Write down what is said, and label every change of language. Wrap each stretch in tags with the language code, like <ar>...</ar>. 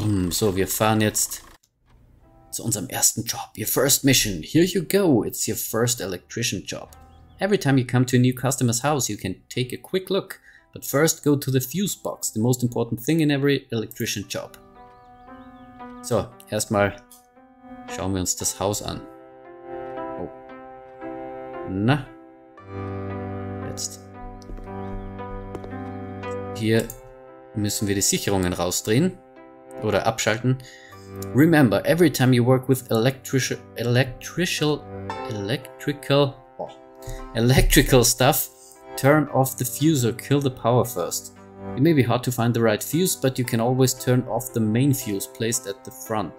<de>So, wir fahren jetzt zu unserem ersten Job.</de> <en>Your first mission. Here you go. It's your first electrician job. Every time you come to a new customer's house, you can take a quick look. But first go to the fuse box, the most important thing in every electrician job.</en> <de>So, erstmal schauen wir uns das Haus an. Oh. Na. Jetzt. Hier müssen wir die Sicherungen rausdrehen oder abschalten.</de> <en>Remember, every time you work with electrical stuff, turn off the fuse or kill the power first. It may be hard to find the right fuse, but you can always turn off the main fuse placed at the front.</en>